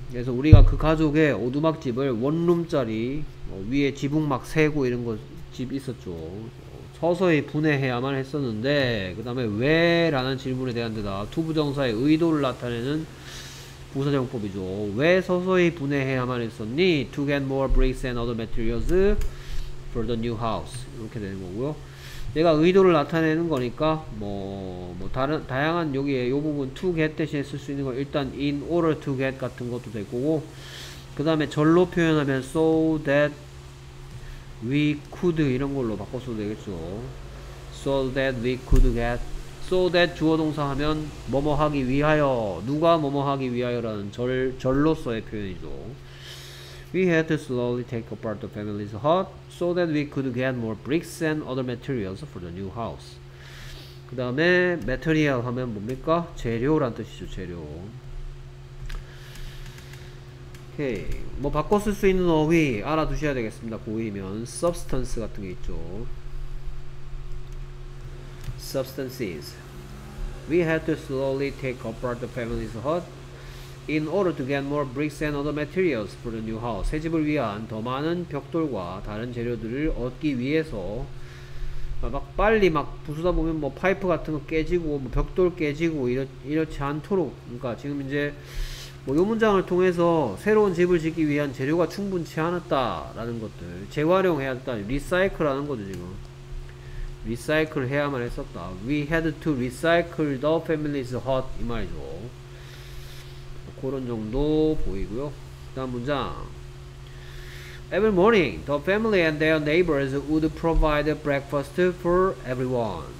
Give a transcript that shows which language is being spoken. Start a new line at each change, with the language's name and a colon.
Korean: 그래서 우리가 그 가족의 오두막집을 원룸짜리 위에 지붕막 세고 이런거 집 있었죠. 서서히 분해해야만 했었는데, 그 다음에 왜라는 질문에 대한 대답, 투부정사의 의도를 나타내는 부사정법이죠. 왜 서서히 분해해야만 했었니?
English: To get more bricks and other materials for the new house.
Korean: 이렇게 되는 거고요. 얘가 의도를 나타내는 거니까 다양한 여기에 요 부분 to get 대신에 쓸 수 있는 거 일단 in order to get 같은 것도 될 거고, 그 다음에 절로 표현하면
English: so that we could
Korean: 이런 걸로 바꿨어도 되겠죠.
English: So that we could get,
Korean: so that 주어동사 하면 뭐뭐 하기 위하여, 누가 뭐뭐 하기 위하여 라는 절로서의 표현이죠.
English: We had to slowly take apart the family's hut so that we could get more bricks and other materials for the new house.
Korean: 그 다음에 material 하면 뭡니까? 재료란 뜻이죠. 재료. 오케이. 뭐 바꿔 쓸 수 있는 어휘 알아두셔야 되겠습니다. 보이면 substance 같은 게 있죠.
English: Substances. We had to slowly take apart the family's hut in order to get more bricks and other materials for the new house.
Korean: 새 집을 위한 더 많은 벽돌과 다른 재료들을 얻기 위해서 막 빨리 막 부수다 보면 뭐 파이프 같은 거 깨지고 뭐 벽돌 깨지고 이렇지 않도록. 그러니까 지금 이제 뭐 요 문장을 통해서 새로운 집을 짓기 위한 재료가 충분치 않았다라는 것들 재활용해야 했다. 리사이클 하는 거죠 지금. 리사이클 해야만 했었다.
English: We had to recycle the family's hut
Korean: 이 말이죠. 그런 정도 보이고요. 다음 문장.
English: Every morning, the family and their neighbors would provide breakfast for everyone.